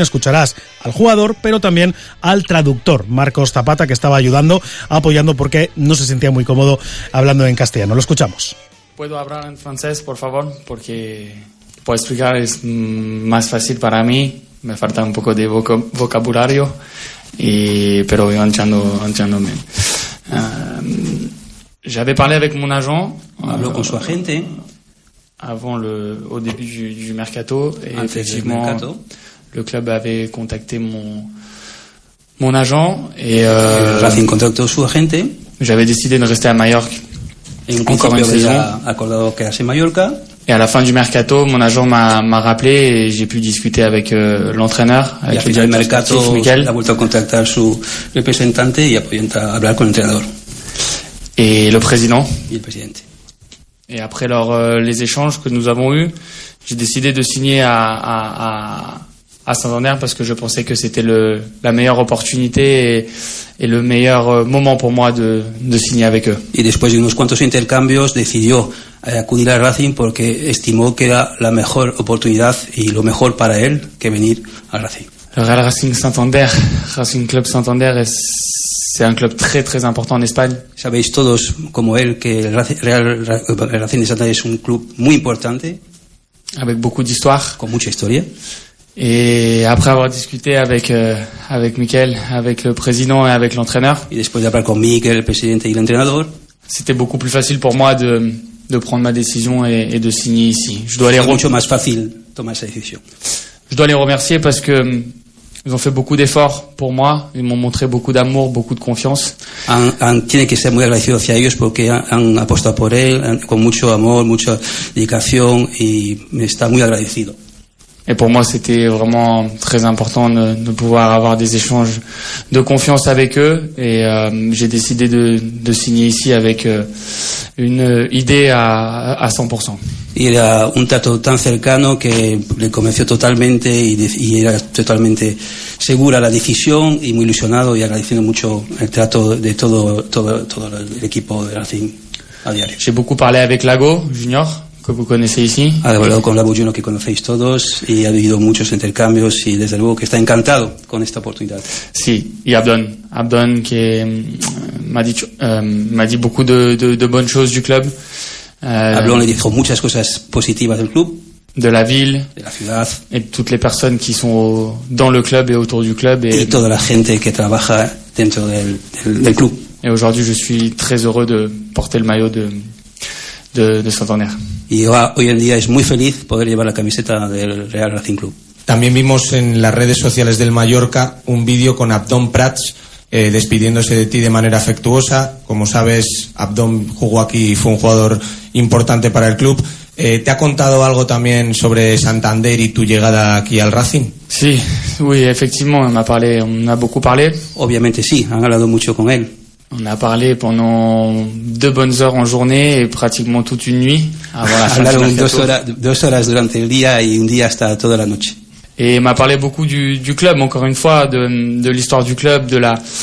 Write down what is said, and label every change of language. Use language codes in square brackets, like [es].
[es] Escucharás al jugador, pero también al traductor, Marcos Zapata, que estaba ayudando, apoyando, porque no se sentía muy cómodo hablando en castellano. Lo escuchamos. ¿Puedo hablar en francés, por favor? Porque puedo explicar, es más fácil para mí. Me falta un poco de vocabulario, pero voy anchándome. [fr] J'avais parlé avec mon agent. [es] Habló con su agente. [fr] Au début du mercato. Et effectivement, le club avait contacté mon agent. Et, [es] Racing contactó su agente. [fr] J'avais décidé de rester à Mallorca. Et encore une saison. [es] Acordado quedarse en Mallorca. [fr] Et à la fin du mercato, mon agent m'a rappelé et j'ai pu discuter avec l'entraîneur. Avec le directeur mercato, sportif, Miguel. [es] Ha vuelto a contactar su representante y ha podido hablar con el entrenador. [fr] Et le président. Et le président. Et après les échanges que nous avons eus, j'ai décidé de signer à Santander parce que je pensais que c'était la meilleure opportunité et le meilleur moment pour moi de signer avec eux. [es] Y después de unos cuantos intercambios decidió acudir a Racing porque estimó que era la mejor oportunidad y lo mejor para él que venir a Racing. [fr] Le Real Racing Santander, Racing Club Santander [es] es [fr] c'est un club très très important en Espagne. [es] Sabéis todos como él que el Racing de Santander es un club muy importante [fr] avec beaucoup d'histoire, [es] con mucha historia. [fr] Et après avoir discuté avec Miguel, avec le président et avec l'entraîneur, [es] y después de hablar con Miguel, el presidente y el entrenador, [fr] c'était beaucoup plus facile pour moi de prendre ma décision et de signer ici. Je dois les [es] mucho más fácil tomar esa decisión. [fr] Je dois les remercier parce que ils ont fait beaucoup d'efforts pour moi, ils m'ont montré beaucoup d'amour, beaucoup de confiance. [es] Tiene que ser muy agradecido hacia ellos porque han apostado por él con mucho amor, mucha dedicación y me está muy agradecido. [fr] Et pour moi, c'était vraiment très important de pouvoir avoir des échanges de confiance avec eux. Et j'ai décidé de signer ici avec une idée à 100%. Il y a [es] un trato tan cercano que le convenció totalmente y era totalmente segura la decisión y muy ilusionado y agradeciendo mucho el trato de todo el equipo de Racing a diario. [fr] J'ai beaucoup parlé avec Lago Junior. Que vous connaissez ici. [es] Ha hablado con Labo Juno, que conocéis todos, y ha habido muchos intercambios, y desde luego que está encantado con esta oportunidad. Sí, y [fr] Abdon que m'a dit beaucoup de bonnes choses du club. [es] Abdon le dijo muchas cosas positivas del club. [fr] De la ville. [es] De la ciudad. [fr] Et toutes les personnes qui sont dans le club et autour du club. [es] Y toda la gente que trabaja dentro del club. [fr] Et aujourd'hui, je suis très heureux de porter le maillot de Santander. [es] Y hoy en día es muy feliz poder llevar la camiseta del Real Racing Club. También vimos en las redes sociales del Mallorca un vídeo con Abdon Prats despidiéndose de ti de manera afectuosa. Como sabes, Abdon jugó aquí y fue un jugador importante para el club. ¿Te ha contado algo también sobre Santander y tu llegada aquí al Racing? [fr] Sí, oui, effectivement, on a beaucoup parlé. [es] Obviamente sí, han hablado mucho con él. [fr] On a parlé pendant deux bonnes heures en journée et pratiquement toute une nuit avant la fin du mercato. [es] Dos horas durante el día y un día hasta toda la noche. [fr] Et m'a parlé beaucoup du club, encore une fois, de l'histoire du club, de la